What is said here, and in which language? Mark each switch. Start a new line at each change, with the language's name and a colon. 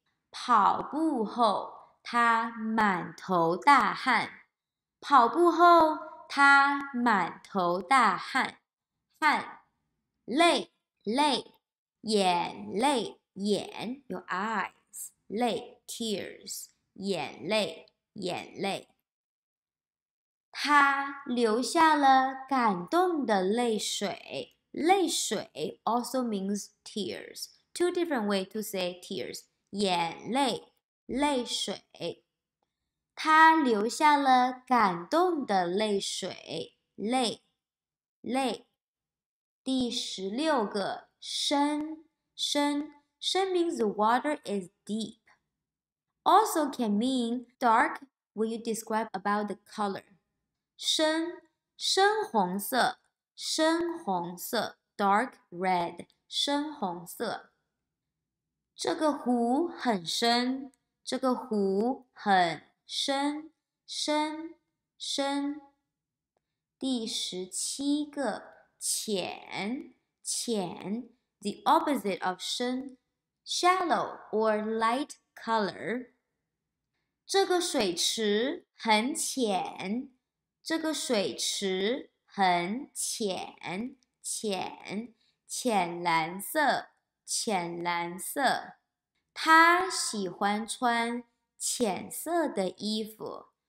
Chinese: 跑步后。他满头大汗，跑步后他满头大汗，汗，泪，泪，眼泪，眼 ，
English: your eyes，
Chinese: 泪 ，tears， 眼泪，眼泪。他流下了感动的泪水，
English: 泪水 also means tears， two different way to say tears， 眼泪。
Chinese: 泪水，他流下了感动的泪水，泪，泪。
English: 第十六个，深，深，深 means the water is deep. Also can mean dark when you describe about the color.
Chinese: 深，深红色，深红色 ，
English: dark red，
Chinese: 深红色。这个湖很深。这个湖很深，深，深。
English: 第十七个，浅，浅 ，the opposite of 深 ，shallow or light color。
Chinese: 这个水池很浅，这个水池很浅，浅，浅蓝色，浅蓝色。他喜欢穿浅色的衣服。